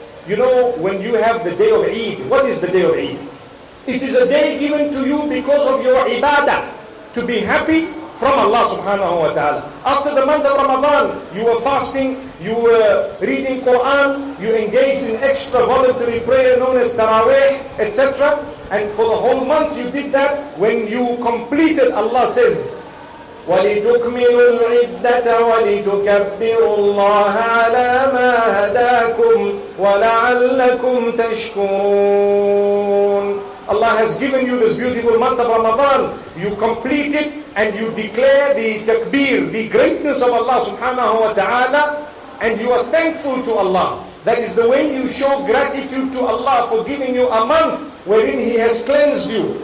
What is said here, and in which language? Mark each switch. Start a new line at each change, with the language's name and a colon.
English: You know, when you have the day of Eid, what is the day of Eid? It is a day given to you because of your ibadah, to be happy from Allah subhanahu wa ta'ala. After the month of Ramadan, you were fasting, you were reading Quran, you engaged in extra voluntary prayer known as Taraweeh, etc. And for the whole month you did that. When you completed, Allah says,
Arabic: وَلِتُكْمِلُوا الْعِدَّةَ وَلِتُكَبِّرُوا اللَّهَ عَلَى مَا هَدَاكُمْ وَلَعَلَّكُمْ تَشْكُرُونَ.
English: Allah has given you this beautiful month of Ramadan. You complete it and you declare the takbir, the greatness of Allah subhanahu wa ta'ala, and you are thankful to Allah. That is the way you show gratitude to Allah for giving you a month wherein He has cleansed you.